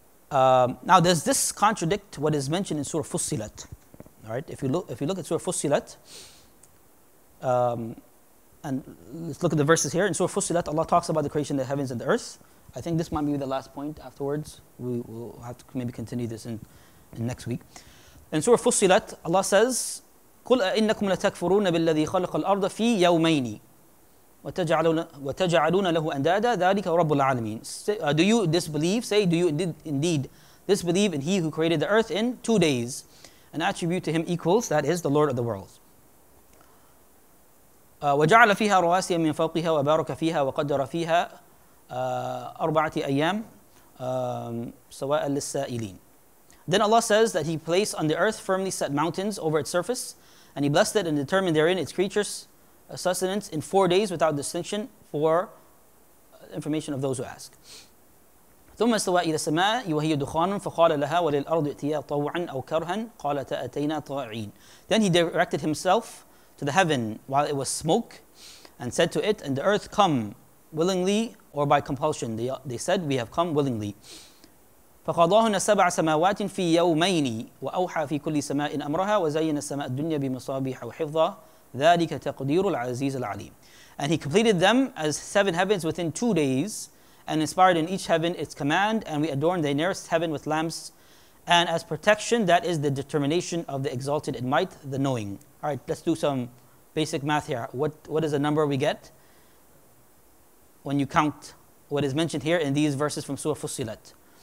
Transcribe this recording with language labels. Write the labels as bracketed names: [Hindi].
[English] Now, does this contradict what is mentioned in Surah Fussilat? Alright, if you look at Surah Fussilat, and let's look at the verses here. In Surah Fussilat, Allah talks about the creation of the heavens and the earth. I think this might be the last point afterwards. We will have to maybe continue this in next week. In Surah Fussilat, Allah says, [Arabic] قُلْ أَإِنَّكُمْ لَتَكْفُرُونَ بِالَّذِي خَلَقَ الْأَرْضَ فِي يَوْمَيْنِ وَتَجْعَلُونَ لَهُ أَنْدَادًا ذَلِكَ رَبُّ الْعَالَمِينَ. [English] Do you disbelieve? Say, do you indeed disbelieve in He who created the earth in 2 days? An attribute to Him equals, that is, the Lord of the worlds. [Arabic] وَجَعَلَ فِيهَا رَوَاسِيَ مِنْ فَوْقِهَا وَبَارَكَ فِيهَا وَقَدَّرَ فِيهَا أَرْبَعَةِ أَيَّامٍ سَوَاءً لِلسَّائِلِينَ. [English] Then Allah says that He placed on the earth firmly set mountains over its surface, and He blessed it and determined therein its creatures sustenance in 4 days without distinction for information of those who ask. [Arabic] ثم استوى إلى السماء وهي دخان فقال لها وللأرض اتيا طوعا أو كرها قالتا أتينا طائعين. [English] Then he directed himself to the heaven while it was smoke and said to it and the earth come willingly or by compulsion. They said we have come willingly. [Arabic] فقضاهن سبع سماوات في يومين وأوحى في كل سماء أمرها وزين السماء الدنيا بمصابيح وحفظة ذلك تقدير العزيز العليم. [English] And he completed them as seven heavens within 2 days and inspired in each heaven its command, and we adorned the nearest heaven with lamps and as protection, that is the determination of the exalted in might, the knowing. All right, let's do some basic math here. What is the number we get when you count what is mentioned here in these verses from Surah Fussilat?